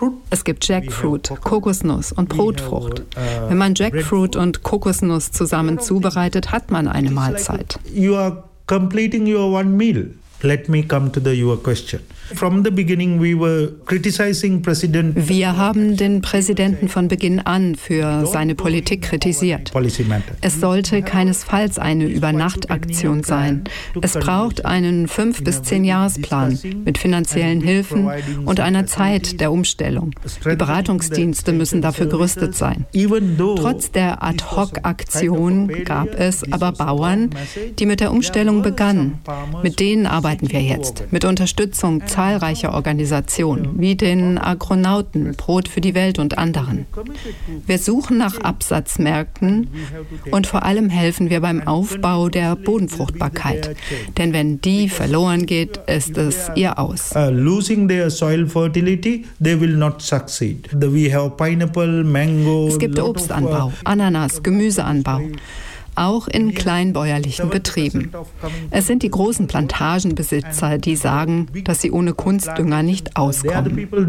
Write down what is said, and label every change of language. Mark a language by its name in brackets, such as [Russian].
[German] Es gibt Jackfruit, Kokosnuss und Brotfrucht. Wenn man Jackfruit und Kokosnuss zusammen zubereitet, hat man eine Mahlzeit. [English] You are completing your one meal. Let me come to your question. From the beginning we were criticizing President. [German] Wir haben den Präsidenten von Beginn an für seine Politik kritisiert. Es sollte keinesfalls eine Übernachtaktion sein. Es braucht einen 5- bis 10-Jahres-Plan mit finanziellen Hilfen und einer Zeit der Umstellung. Die Beratungsdienste müssen dafür gerüstet sein. Trotz der Ad-hoc-Aktion gab es aber Bauern, die mit der Umstellung begannen. Mit denen arbeiten wir jetzt, mit Unterstützung zahlreicher Organisationen, wie den Agronauten, Brot für die Welt und anderen. Wir suchen nach Absatzmärkten und vor allem helfen wir beim Aufbau der Bodenfruchtbarkeit. Denn wenn die verloren geht, ist es ihr Aus. [English] Losing their soil fertility, they will not succeed. We have pineapple, mango. [German] Es gibt Obstanbau, Ananas, Gemüseanbau. Auch in kleinbäuerlichen Betrieben. Es sind die großen Plantagenbesitzer, die sagen, dass sie ohne Kunstdünger nicht auskommen.